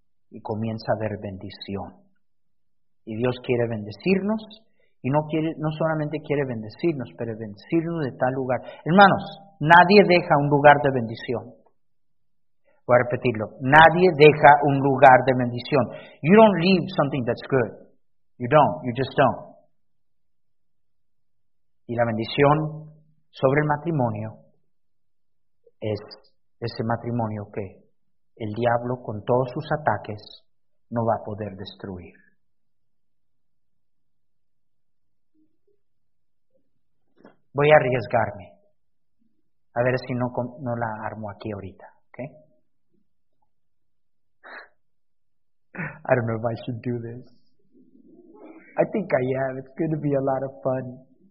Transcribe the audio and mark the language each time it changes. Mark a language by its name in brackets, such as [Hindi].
[Spanish] Y comienza a haber bendición. Y Dios quiere bendecirnos. Y no solamente quiere bendecirnos, pero bendecirnos de tal lugar. Hermanos, nadie deja un lugar de bendición. Voy a repetirlo. Nadie deja un lugar de bendición. [English] You don't leave something that's good. You don't. You just don't. [Spanish] Y la bendición sobre el matrimonio es ese matrimonio que el diablo, con todos sus ataques, no va a poder destruir. Voy a arriesgarme. A ver si no la armo aquí ahorita. ¿Okay? [English] I don't know if I should do this. I think I am. It's going to be a lot of fun.